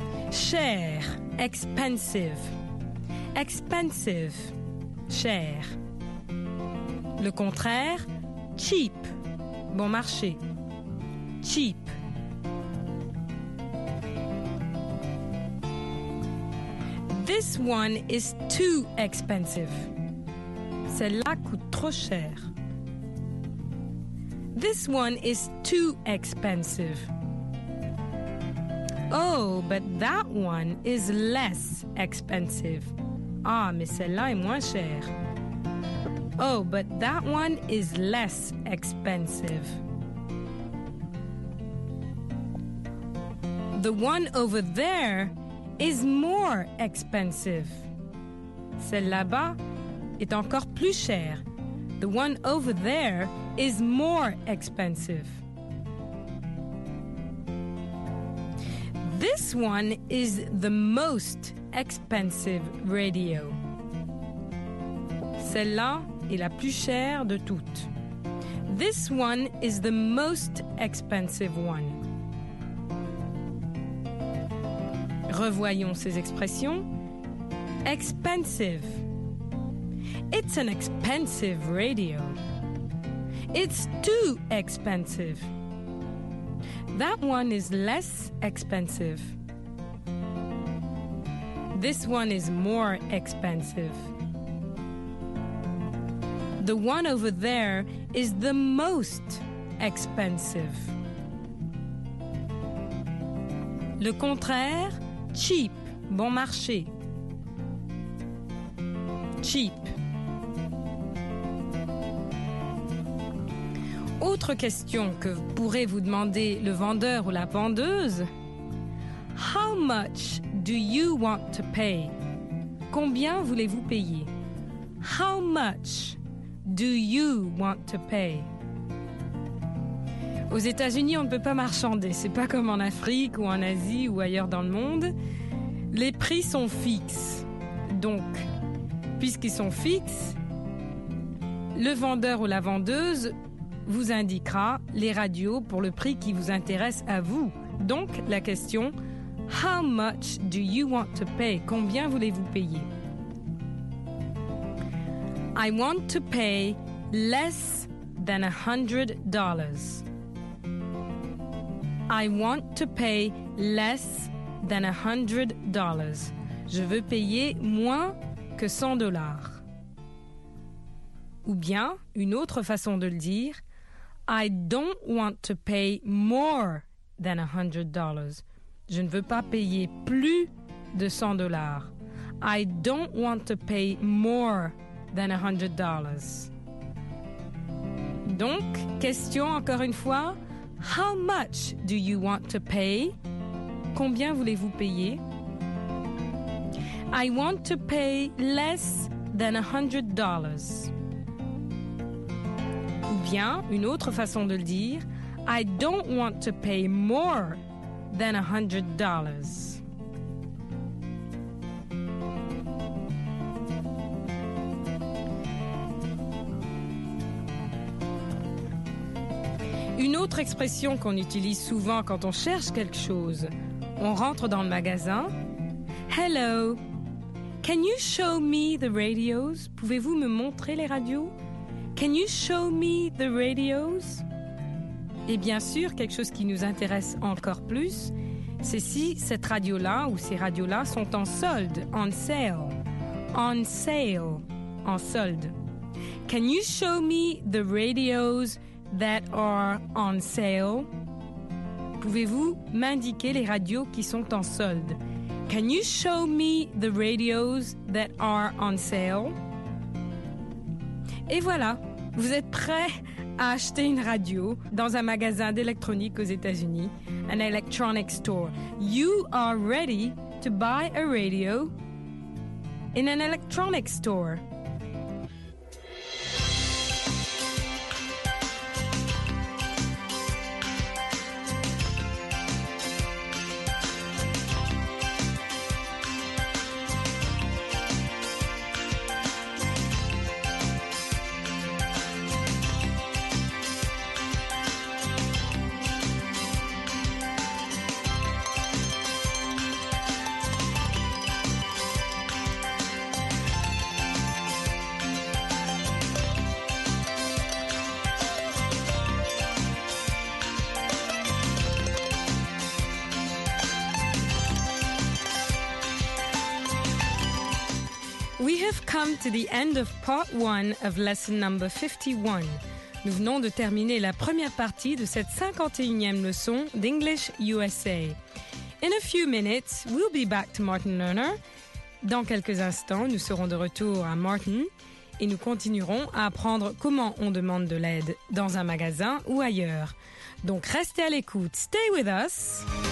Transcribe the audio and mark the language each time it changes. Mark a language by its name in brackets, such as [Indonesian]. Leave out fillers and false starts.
[French] Cher, expensive. Expensive, cher. Le contraire, cheap, bon marché. Cheap. [English] This one is too expensive. [French] Celle-là coûte trop cher. [English] This one is too expensive. Oh, but that one is less expensive. [French] Ah, mais celle-là est moins chère. [English] Oh, but that one is less expensive. The one over there is more expensive. [French] Celle là-bas est encore plus cher. [English] The one over there is more expensive. This one is the most expensive radio. [French] Celle-là est la plus chère de toutes. [English] This one is the most expensive one. [French] Revoyons ces expressions. Expensive. [English] It's an expensive radio. It's too expensive. That one is less expensive. This one is more expensive. The one over there is the most expensive. [French] Le contraire, cheap, bon marché. [English] Cheap. [French] Autre question que pourrait vous demander le vendeur ou la vendeuse. [English] How much do you want to pay? [French] Combien voulez-vous payer? [English] How much do you want to pay? [French] Aux États-Unis, on ne peut pas marchander. C'est pas comme en Afrique ou en Asie ou ailleurs dans le monde. Les prix sont fixes. Donc, puisqu'ils sont fixes, le vendeur ou la vendeuse vous indiquera les radios pour le prix qui vous intéresse à vous. Donc, la question, [English] how much do you want to pay? [French] Combien voulez-vous payer? [English] I want to pay less than $100. I want to pay less than $100. [French] Je veux payer moins que $100. Ou bien, une autre façon de le dire, [English] I don't want to pay more than $100. [French] Je ne veux pas payer plus de $100. [English] I don't want to pay more than $100. [French] Donc, question encore une fois. [English] How much do you want to pay? [French] Combien voulez-vous payer? [English] I want to pay less than $100. [French] Ou bien, une autre façon de le dire, [English] I don't want to pay more than $100. [French] Une autre expression qu'on utilise souvent quand on cherche quelque chose, on rentre dans le magasin. [English] Hello, can you show me the radios? [French] Pouvez-vous me montrer les radios? [English] Can you show me the radios? [French] Et bien sûr, quelque chose qui nous intéresse encore plus, c'est si cette radio-là ou ces radios-là sont en solde, on sale. On sale, en solde. [English] Can you show me the radios that are on sale? [French] Pouvez-vous m'indiquer les radios qui sont en solde? [English] Can you show me the radios that are on sale? [French] Et voilà! Vous êtes prêt à acheter une radio dans un magasin d'électronique aux États-Unis, [English] an electronic store. You are ready to buy a radio in an electronic store. We have come to the end of part one of lesson number 51. [French] Nous venons de terminer la première partie de cette 51e leçon d'English USA. [English] In a few minutes, we'll be back to Martin Lerner. [French] Dans quelques instants, nous serons de retour à Martin et nous continuerons à apprendre comment on demande de l'aide dans un magasin ou ailleurs. Donc restez à l'écoute. [English] Stay with us!